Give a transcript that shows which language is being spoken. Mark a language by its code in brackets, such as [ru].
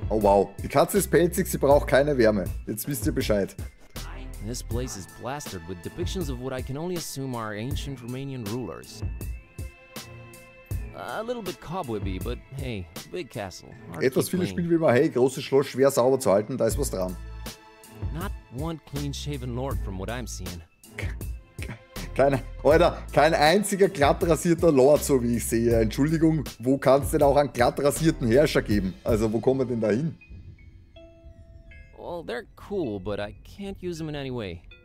[de] Oh wow, die Katze ist pelzig, sie braucht keine Wärme. Jetzt wisst ihr Bescheid. [en] This place is plastered with depictions of what I can only assume are ancient Romanian rulers. A little bit cobwebby, but hey, big castle. [de] Etwas viele Spiele wie immer, hey, großes Schloss, schwer sauber zu halten, da ist was dran. [en] Not one clean-shaven lord from what I'm seeing. [de] Kein einziger glattrasierter Lord, so wie ich sehe. Entschuldigung, wo kannst du denn auch einen glattrasierten Herrscher geben? Also, wo kommen wir denn da hin? [en] Well, they're cool, but I can't use them in any way.